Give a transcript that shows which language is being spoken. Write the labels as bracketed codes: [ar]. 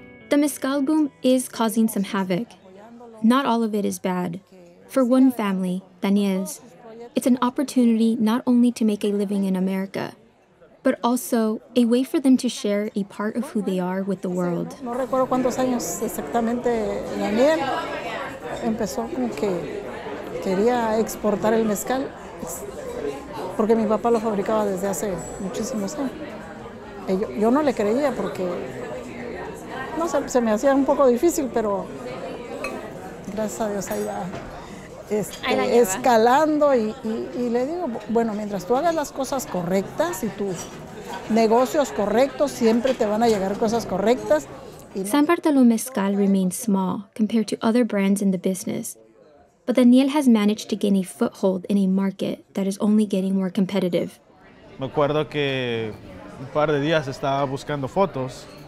[en] The mezcal boom is causing some havoc. Not all of it is bad. For one family, Daniel's, it's an opportunity not only to make a living in America, but also a way for them to share a part of who they are with the world. [es] No recuerdo cuántos años exactamente Daniel empezó como que quería exportar el mezcal. Porque mi papá lo fabricaba desde hace muchísimos años. Yo no le creía porque, no sé, se me hacía un poco difícil, pero gracias a Dios ahí va escalando. Y le digo, bueno, mientras tú hagas las cosas correctas y tus negocios correctos, siempre te van a llegar cosas correctas. [en] San Bartolo Mezcal remains small compared to other brands in the business. But Daniel has managed to gain a foothold in a market that is only getting more competitive. [es] Me acuerdo que un par de días estaba buscando fotos.